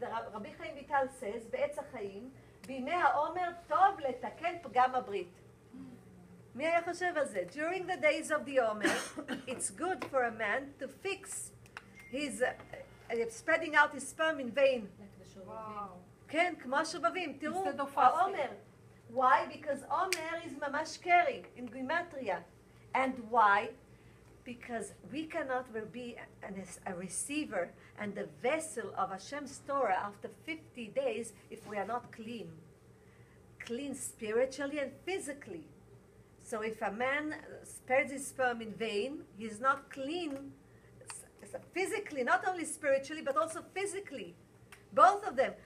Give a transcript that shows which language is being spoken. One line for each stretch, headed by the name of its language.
English: Rabbi Chaim Vital says,
Hebrew: ב'עץ החיים, בימי העומר טוב לתקן פגם הברית. מי היה חושב על זה?
English: During the days of the Omer, it's good for a man to fix his spreading out his sperm in vain.
Hebrew: כן, כמו השובבים, תראו, העומר.
English: Why? Because Omer is
Hebrew: ממש קרי,
English: in גימטריה. And why? Because we cannot be a receiver and the vessel of Hashem's Torah after 50 days if we are not clean. Clean spiritually and physically. So if a man spreads his sperm in vain, he's not clean physically, not only spiritually, but also physically. Both of them.